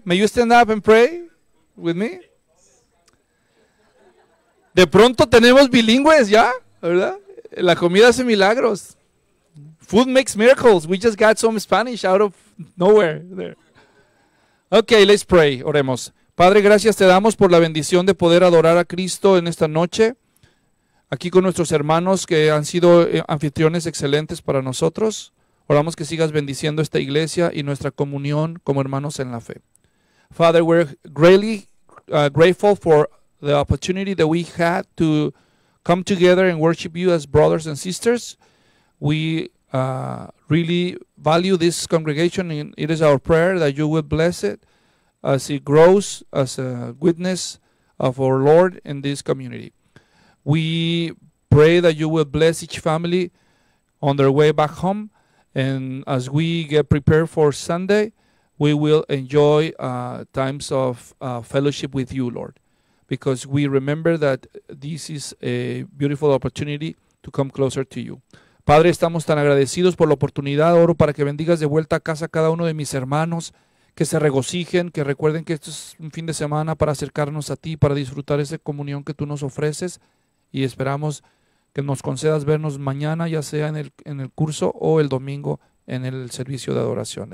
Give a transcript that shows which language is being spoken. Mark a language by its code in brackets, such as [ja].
[en] May you stand up and pray with me? [es] De pronto tenemos bilingües ya, ¿verdad? La comida hace milagros. [en] Food makes miracles. We just got some Spanish out of nowhere there. Okay, let's pray. [es] Oremos. Padre, gracias te damos por la bendición de poder adorar a Cristo en esta noche. Aquí con nuestros hermanos que han sido anfitriones excelentes para nosotros. Oramos que sigas bendiciendo esta iglesia y nuestra comunión como hermanos en la fe. [en] Father, we're greatly grateful for the opportunity that we had to come together and worship you as brothers and sisters. We really value this congregation, and it is our prayer that you will bless it as it grows as a witness of our Lord in this community. We pray that you will bless each family on their way back home, and as we get prepared for Sunday, we will enjoy times of fellowship with you, Lord. Because we remember that this is a beautiful opportunity to come closer to you. [es] Padre, estamos tan agradecidos por la oportunidad. Oro para que bendigas de vuelta a casa a cada uno de mis hermanos, que se regocijen, que recuerden que esto es un fin de semana para acercarnos a ti, para disfrutar esa comunión que tú nos ofreces. Y esperamos que nos concedas vernos mañana, ya sea en el curso o el domingo en el servicio de adoración.